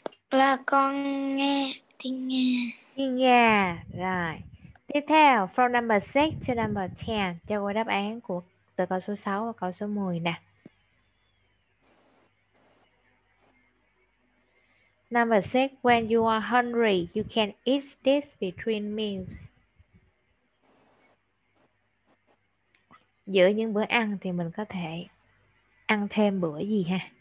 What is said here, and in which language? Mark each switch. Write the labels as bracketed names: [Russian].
[Vietnamese] Là con nghe. Tiếng nghe. Rồi. Tiếp theo, [English] from number 6 to number 10, [Vietnamese] cho cô đáp án của từ câu số 6 và câu số 10 nè. [English] Number 6, when you are hungry, you can eat this between meals. [Vietnamese] Giữa những bữa ăn thì mình có thể ăn thêm bữa gì ha?